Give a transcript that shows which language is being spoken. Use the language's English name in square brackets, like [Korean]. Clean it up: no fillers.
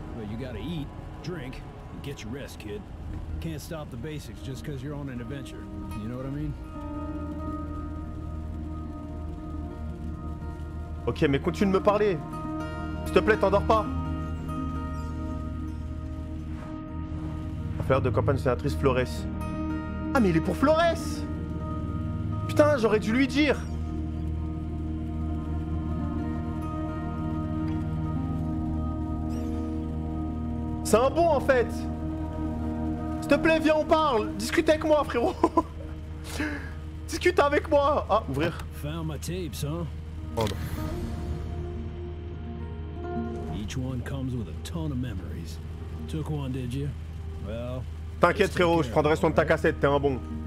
[English] You gotta eat, drink, and get your rest, kid. Can't stop the basics just cause you're on an adventure. You know what I mean? [French] Ok, mais continue de me parler. S'il te plaît, t'endors pas. faire de campagne sénatrice Flores. Ah mais il est pour Flores! Putain, j'aurais dû lui dire! C'est un bon en fait! S'il te plaît, viens, on parle! Discute avec moi, frérot! Discute avec moi! Ah, ouvrir. [English] Found my tapes, hein? [French] Oh non. [English] Each one comes with a ton of memories. Took one, did you? Well. [French] T'inquiète frérot, je prendrai soin de ta cassette, t'es un bon.